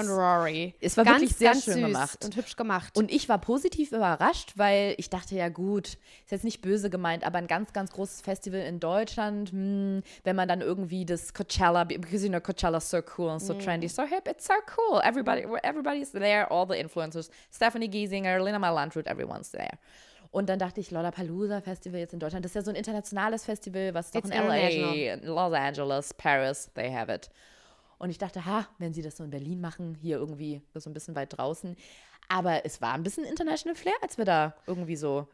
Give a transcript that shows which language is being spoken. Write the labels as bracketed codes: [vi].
[de] und Rory. Es war wirklich sehr schön gemacht. Und hübsch gemacht. Und ich war positiv überrascht, weil ich dachte, ja gut, ist jetzt nicht böse gemeint, aber ein ganz, ganz großes Festival in Deutschland, wenn man dann irgendwie das Coachella, [en] because you know Coachella is so cool [de] and so trendy, so hip, it's so cool. [en] Everybody's there, all the influencers. Stephanie Giesinger, Lina Meyer-Landrut, everyone's there. [de] Und dann dachte ich, Lollapalooza Festival jetzt in Deutschland, das ist ja so ein internationales Festival, was doch in LA, Los Angeles, Paris, [en] they have it. [de] Und ich dachte, ha, wenn sie das so in Berlin machen, hier irgendwie so ein bisschen weit draußen. Aber es war ein bisschen international Flair, als wir da irgendwie so.